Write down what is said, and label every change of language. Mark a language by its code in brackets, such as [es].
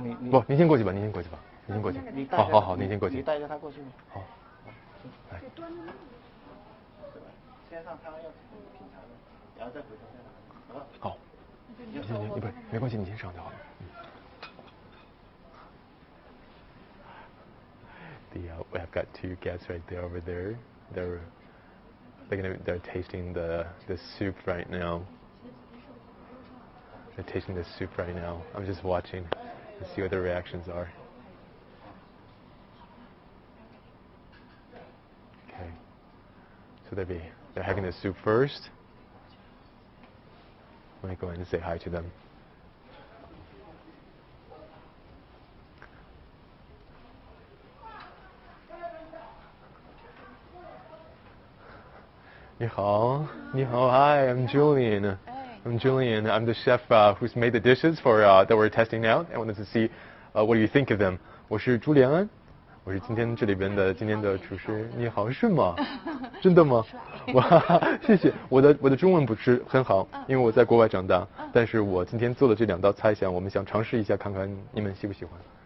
[zh] 您先过去吧，您先过去吧，您先过去。好，您先过去。你带着他过去吗？好，来。先上他要品尝，然后再回头再拿。好。你不没关系，你先上就好了。嗯、 [en] we have got two guests right there over there. They're tasting the soup right now. They're tasting this soup right now. I'm just watching to see what their reactions are. Okay. So they're having the soup first. I'm going to go in and say hi to them. Ni hao. Hi, I'm Julian. I'm Julian. I'm the chef who's made the dishes for that we're testing out. I wanted to see what do you think of them. [zh] 我是朱连安，我是今天这里边的今天的厨师。你好，是吗？真的吗？哇，谢谢。我的中文不是很好，因为我在国外长大。但是我今天做的这两道菜，我们想尝试一下，看看你们喜不喜欢。